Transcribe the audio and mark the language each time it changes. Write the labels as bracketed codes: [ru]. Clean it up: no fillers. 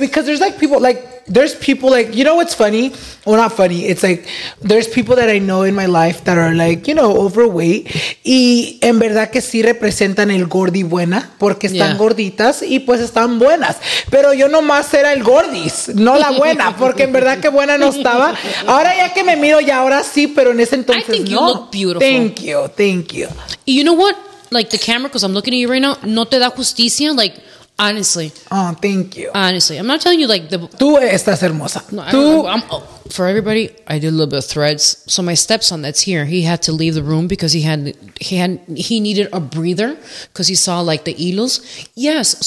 [en] Because there's there's people like, you know what's funny? Well, not funny. It's like, there's people that I know in my life that are like, you know, overweight. [es] Y en verdad que sí representan el gordi buena porque están gorditas y pues están buenas. Pero yo nomás era el gordis, no la buena, porque en verdad que buena no estaba. Ahora ya que me miro ya ahora sí, pero en ese entonces no. [en] I think you look beautiful. Thank you. Y you know what? Like the camera, because I'm looking at you right now, [es] no te da justicia, [en] like... Honestly. Oh, thank you. Honestly. I'm not telling you like the... [es] Tú estás hermosa. No, tú... [en] For everybody, I did a little bit of threads. So my stepson that's here, he had to leave the room because he needed a breather because he saw like the hilos. Yes.